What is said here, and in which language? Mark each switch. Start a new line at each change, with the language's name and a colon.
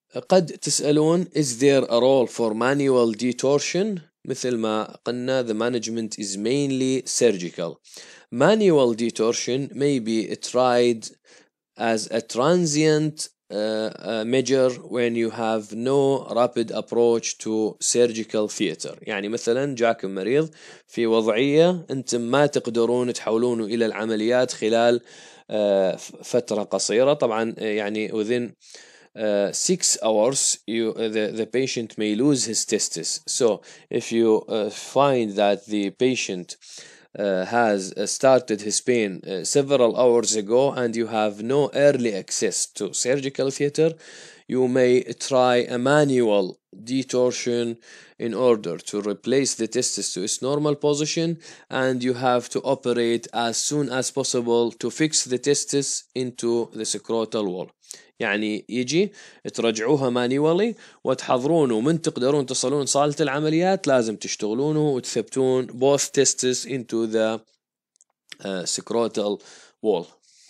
Arabic: قد تسألون,
English: is there a role for manual detorsion?
Arabic: مثل ما قلنا,
English: the management is mainly surgical. Manual detorsion may be tried as a transient measure when you have no rapid approach to surgical theater.
Arabic: يعني مثلا جاكم مريض في وضعية انتم ما تقدرون تحولونه الى العمليات خلال فترة قصيرة. طبعا يعني
English: within 6 hours the patient may lose his testis. So if you find that the patient has started his pain several hours ago and you have no early access to surgical theater, you may try a manual detorsion in order to replace the testis to its normal position, and you have to operate as soon as possible to fix the testis into the scrotal wall.
Arabic: يعني يجي ترجعوها مانيولي وتحضرون, ومن تقدرون تصلون صالة العمليات لازم تشتغلونه وتثبتون
English: both testes into the scrotal wall.